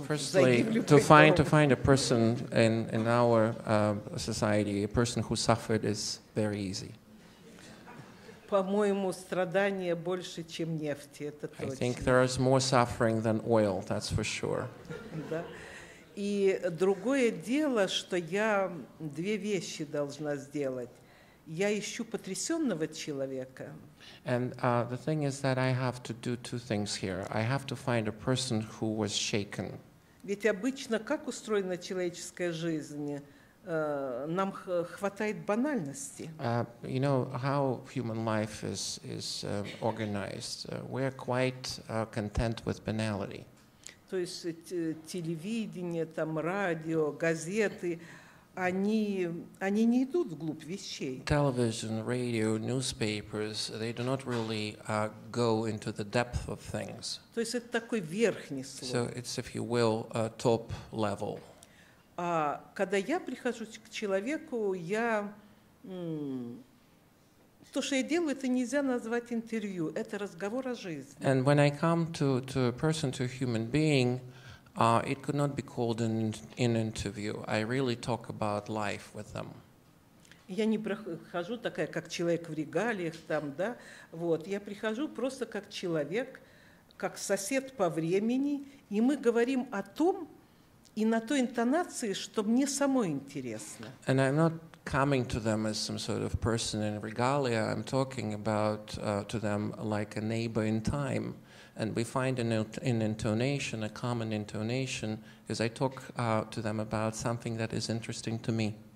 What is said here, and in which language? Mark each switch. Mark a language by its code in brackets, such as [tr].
[en] Firstly, to find a person in our society, a person who suffered, is very easy. [ru] По-моему, страдания больше, чем нефти, это точно. [en] I think there is more suffering than oil, that's for sure. [ru] Да. И другое дело, что я две вещи должна сделать. Я ищу потрясённого человека. [en] And the thing is that I have to do two things here. I have to find a person who was shaken. [ru] Ведь обычно как устроена человеческая жизнь? Нам хватает банальности. [en] You know how human life is organized. We are quite content with banality. [ru] То есть телевидение, там радио, газеты. Они не идут вглубь вещей. [en] Television, radio, newspapers, they do not really go into the depth of things. [ru] То есть это такой верхний слой. [en] So it's, if you will, a top level. [ru] А когда я прихожу к человеку, я то, что я делаю, это нельзя назвать интервью, это разговор о жизни. [en] And when I come to a person, to a human being, it could not be called an interview. I really talk about life with them. [ru] Я не прихожу такая, как человек в регалиях там, да? Вот, я прихожу просто как человек, как сосед по времени, и мы говорим о том и на той интонации, что мне самой интересно. [en] And I'm not coming to them as some sort of person in regalia. I'm talking about to them like a neighbor in time. And we find an intonation, a common intonation, as I talk to them about something that is interesting to me.